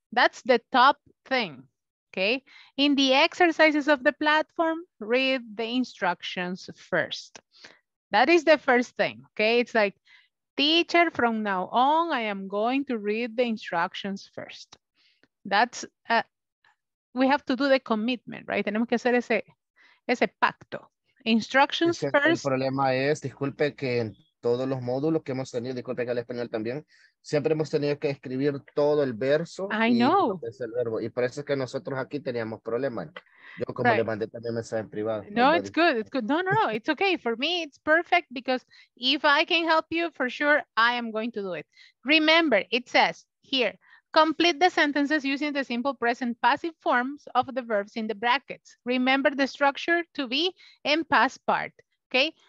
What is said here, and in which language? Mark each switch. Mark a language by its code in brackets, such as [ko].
[en] That's the top thing. Okay. In the exercises of the platform, read the instructions first. That is the first thing, okay? It's like, teacher, from now on, I am going to read the instructions first. That's, we have to do the commitment, right? [es] Tenemos que hacer ese pacto. [en] Instructions first. [es] El problema es, disculpe que en todos los módulos que hemos tenido, disculpe que el español también, siempre hemos tenido que escribir todo el verso. [en] I know. [es] Es el verbo. Y por eso es que nosotros aquí teníamos problemas. Yo como le mandé también mensaje en privado. [en] No, it's good. It's good. No. It's okay. For me, it's perfect because if I can help you, for sure, I am going to do it. Remember, it says here, complete the sentences using the simple present passive forms of the verbs in the brackets. Remember the structure to be in past part. Okay.